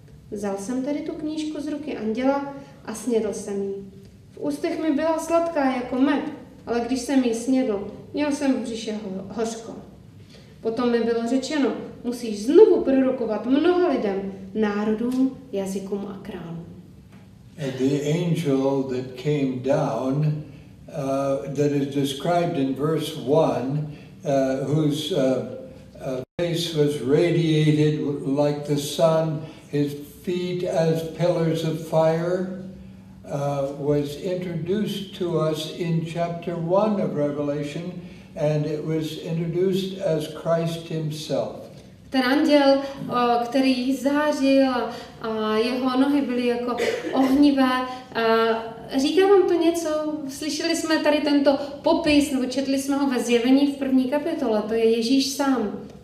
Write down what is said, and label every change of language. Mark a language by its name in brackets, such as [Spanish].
[Czech] Vzal jsem tedy tu knížku z ruky anděla a snědl jsem ji. V ústech mi byla sladká jako med, ale když jsem ji snědl, měl jsem v břiše hořko. Potom mi bylo řečeno, musíš znovu prorokovat mnoha lidem, národům, jazykům a králům. [English] And the angel that came down, that is described in verse 1, whose face was radiated like the sun, his feet as pillars of fire, was introduced to us in chapter 1 of Revelation, and it was introduced as Christ himself. [Czech] Ten anděl, který zářil a jeho nohy byly jako ohnivé, říká vám to něco? Slyšeli jsme tady tento popis, nebo četli jsme ho ve zjevení v první kapitole, to je Ježíš sám.